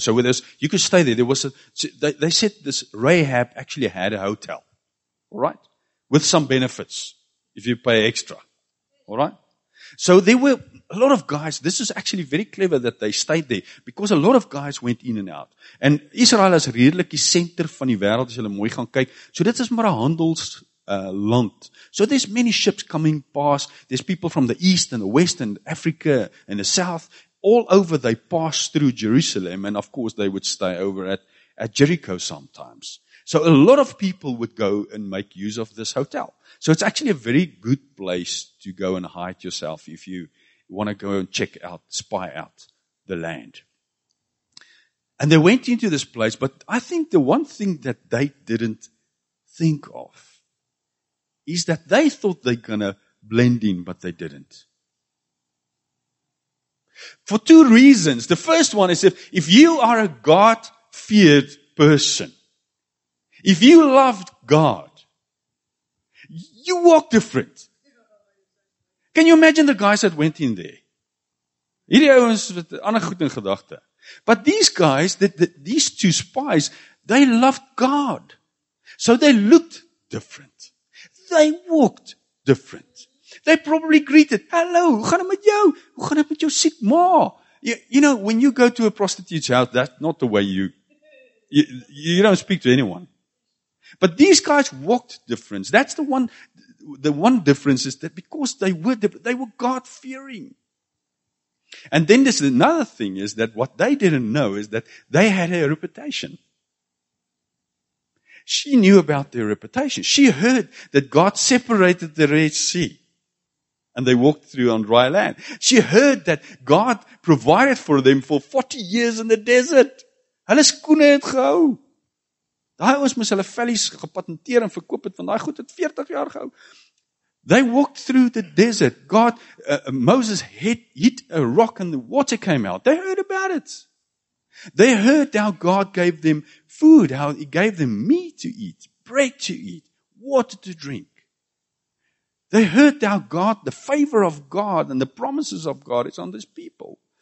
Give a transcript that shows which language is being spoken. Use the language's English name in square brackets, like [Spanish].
[English] So there was, you could stay there. They said this Rahab actually had a hotel. All right? With some benefits if you pay extra. All right? So there were a lot of guys. This is actually very clever that they stayed there because a lot of guys went in and out. [Afrikaans] And Israel is redelik die center van die wêreld as jy mooi gaan kyk. So dit is maar 'n handels land. [English] So there's many ships coming past. There's people from the east and the west and Africa and the south. All over they pass through Jerusalem and of course they would stay over at Jericho sometimes. So a lot of people would go and make use of this hotel. So it's actually a very good place to go and hide yourself if you want to go and check out, spy out the land. And they went into this place, but I think the one thing that they didn't think of is that they thought they're going to blend in, but they didn't. For two reasons. The first one is if you are a God-feared person, if you loved God, you walk different. Can you imagine the guys that went in there? [Afrikaans] Hierdie ouens het ander goed in gedagte. [English] But these guys, these two spies, they loved God. So they looked different. They walked different. They probably greeted, hello, [Afrikaans] hoe gaan het met jou? Hoe gaan het met jou siek ma? [English] You know, when you go to a prostitute's house, that's not the way you don't speak to anyone. But these guys walked different. That's the one difference is that because they were God-fearing. And then there's another thing is that what they didn't know is that they had a reputation. She knew about their reputation. She heard that God separated the Red Sea and they walked through on dry land. She heard that God provided for them for 40 years in the desert. [Afrikaans] Hulle skoene het gehou. Daai ons moes hulle vellies gepatenteer en verkoop het van daai goed het 40 jaar gehou. [English] They walked through the desert. God, Moses hit a rock and the water came out. They heard about it. They heard how God gave them food, how he gave them meat to eat, bread to eat, water to drink. They heard how God, the favor of God and the promises of God is on this people.